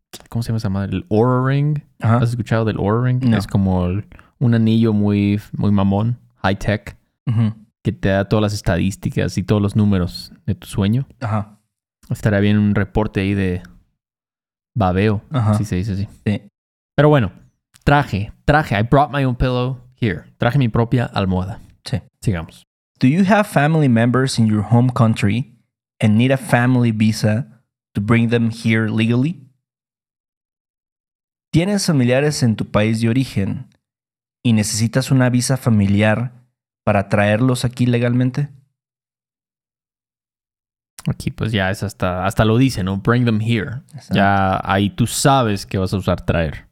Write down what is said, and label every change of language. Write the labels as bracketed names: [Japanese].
[Spanish] ¿Cómo se llama esa madre? El Oura Ring. Ajá. ¿Has escuchado del Oura Ring? No. Es como un anillo muy, muy mamón, high tech. Uh-huh. Que te da todas las estadísticas y todos los números de tu sueño. Ajá. Estaría bien un reporte ahí de... Babeo. Ajá. Si se dice así. Sí. Pero bueno, traje. [English] I brought my own pillow here. [Spanish] Traje mi propia almohada. Sí. Sigamos. [English] Do you have family members in your home country and need a family visa to bring them here legally? [Spanish] ¿Tienes familiares en tu país de origen y necesitas una visa familiar para traerlos aquí legalmente? Aquí pues ya es hasta lo dice, ¿no? [English] Bring them here. [Spanish] Exacto. Ya ahí tú sabes que vas a usar traer.